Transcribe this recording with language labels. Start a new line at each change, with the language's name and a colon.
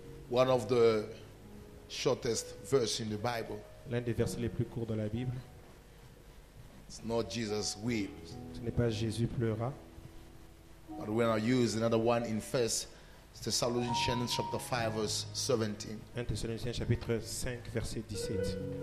English: One of the shortest verses in the Bible.
French: L'un des versets les plus courts de la Bible.
English: It's not Jesus weeps.
French: Ce n'est pas Jésus pleura.
English: But we're going to use another one in First Thessalonians chapter 5 verse 17.
French: 1 Thessaloniciens chapitre 5 verset 17.